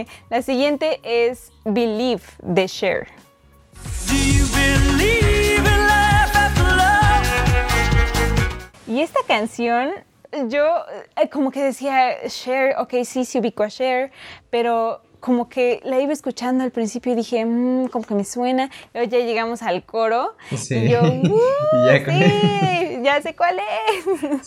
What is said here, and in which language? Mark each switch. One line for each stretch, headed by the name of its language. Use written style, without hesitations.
Spanish: La siguiente es Believe de Cher.
English: Do you believe in life after love?
Spanish: Y esta canción, yo como que decía Cher, ok, sí, sí ubico a Cher, pero como que la iba escuchando al principio y dije, como que me suena. Luego ya llegamos al coro. Sí. Y yo, ya sí, el... ya sé cuál es.